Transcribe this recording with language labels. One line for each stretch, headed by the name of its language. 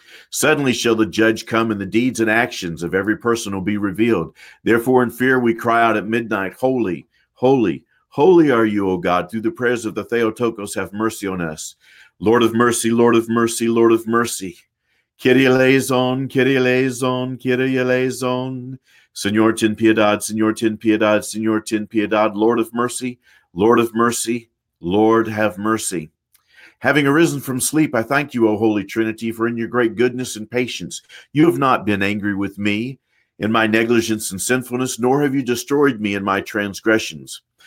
English: Suddenly shall the judge come, and the deeds and actions of every person will be revealed. Therefore, in fear, we cry out at midnight, holy, holy, Holy are you, O God, through the prayers of the Theotokos, have mercy on us. Lord of mercy, Lord of mercy, Lord of mercy.
Greek: Kyrie eleison, Kyrie eleison, Kyrie eleison.
Spanish: Señor ten piedad, Señor ten piedad, Señor ten piedad.
English: Lord of mercy, Lord of mercy, Lord have mercy. Having arisen from sleep, I thank you, O Holy Trinity, for in your great goodness and patience, you have not been angry with me in my negligence and sinfulness, nor have you destroyed me in my transgressions.